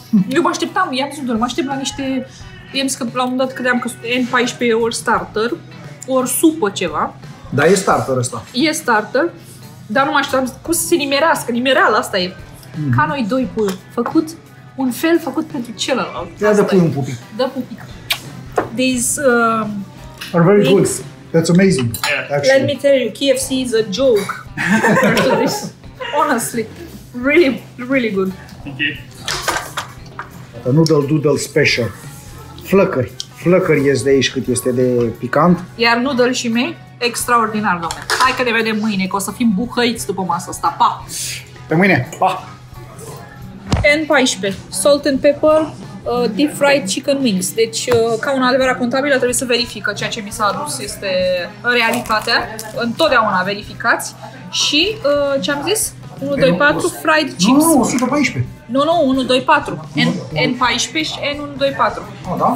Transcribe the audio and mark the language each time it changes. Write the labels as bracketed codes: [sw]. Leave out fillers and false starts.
[ro] Eu mă așteptam, i-am zis, mă aștept la niște... I-am zis că la un moment dat credeam că sunt N14 ori starter, ori supă ceva. Dar e starter ăsta. E starter, dar nu mă așteptam cum să se nimerească, nimereala asta e. Mm-hmm. Ca noi doi pui, făcut un fel făcut pentru celălalt. Ia asta de pui un pupic. Dă pupic. [en] These... are very good. That's amazing, actually. Let me tell you, KFC is a joke. Honestly, really, really good. Thank you. A noodle doodle special. [ro] Flăcări. Flăcări ies de aici cât este de picant. Iar noodle și mei, extraordinar, domnule. Hai că ne vedem mâine, că o să fim buhăiți după masa asta. Pa! Pe mâine, pa! N14. [en] Salt and pepper, deep fried chicken wings. [ro] Deci, ca un adevărat contabil, trebuie să verifică ceea ce mi s-a adus este realitatea. Întotdeauna verificați. Și ce am zis? 1, 2, 4, fried chips. Nu, 114. Nu, 1, 2, 4. N14 și N1, 2, 4. Da?